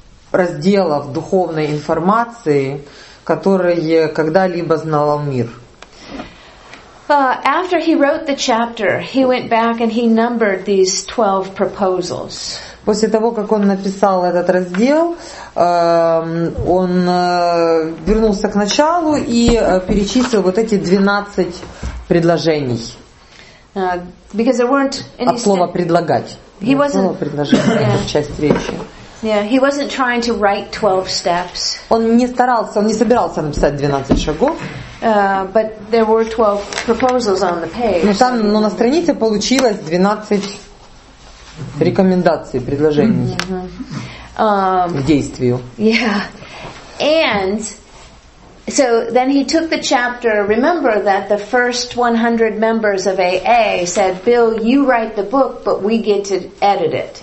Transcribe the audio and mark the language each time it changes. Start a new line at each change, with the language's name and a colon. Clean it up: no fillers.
Russian: разделов духовной информации, которые когда-либо знал мир.
English: After he wrote the chapter, he went back and he numbered these 12 proposals.
Russian: После того, как он написал этот раздел, он вернулся к началу и перечислил вот эти 12 предложений.
English: Because there weren't any.
Russian: От слова предлагать.
English: He wasn't.
Russian: От слова предложение, yeah. Часть речи.
English: Yeah, he wasn't trying to write 12 steps.
Russian: Он не старался, он не собирался написать 12 шагов.
English: But there were 12 proposals on the page.
Russian: Но там, на странице получилось 12 рекомендаций, предложений к действию.
English: Yeah. And so then he took the chapter. Remember that the first 100 members of AA said, "Bill, you write the book, but we get to edit it.